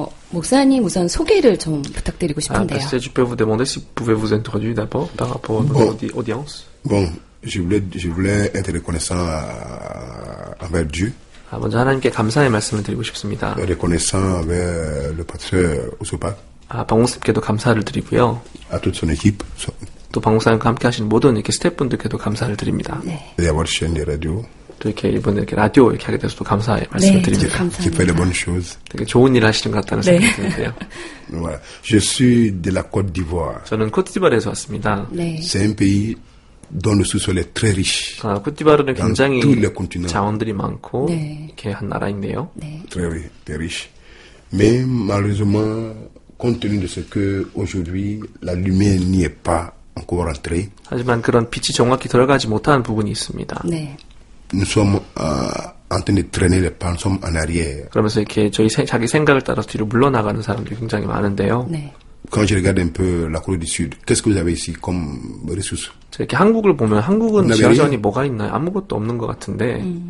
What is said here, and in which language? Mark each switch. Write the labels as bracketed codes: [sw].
[ko] 목사님 우선 소개를 좀 부탁드리고 싶은데요. [fr] Est-ce que je peux vous demander si vous pouvez vous introduire d'abord par rapport à notre audience? Bon, je voulais être reconnaissant envers Dieu. [ko] 먼저 하나님께 감사의 말씀을 드리고 싶습니다. [fr] Reconnaissant envers le pasteur Osopak. [ko] 방송사님께도 감사를 드리고요. [fr] À toute son équipe. [ko] 또 방송사님과 함께 하시는 모든 이렇게 스태프분들께도 감사를 드립니다. 네. 네, 라디오. 또 이렇게 이번에 이렇게 라디오 이렇게 하게 돼서도 감사의 말씀을 네, 드립니다. 감사합니다. 되게 좋은 일 하시는 것 같다는 네. 생각이 드는데요. [fr] Je suis de la Côte d'Ivoire. [ko] 저는 코트디부아르에서 왔습니다. 네. [fr] C'est un pays dont le sous-sol est très riche. [ko] 코트디부아르는 굉장히 자원들이 많고 네. 이렇게 한 나라인데요. 네. [fr] Très riche. Mais malheureusement, compte tenu de ce que aujourd'hui la lumière n'y est pas. [ko] 하지만 그런 빛이 정확히 들어가지 못한 부분이 있습니다. 네. [fr] Nous sommes en train de traîner en arrière. [ko] 그러면서 이렇게 저희 자기 생각을 따라서 뒤로 물러나가는 사람들이 굉장히 많은데요. 네. [fr] Quand je regarde un peu la Corée du Sud, qu'est-ce que vous avez ici comme ressources? [ko] 이렇게 한국을 보면 한국은 여전히 뭐가 있나요? 아무것도 없는 것 같은데.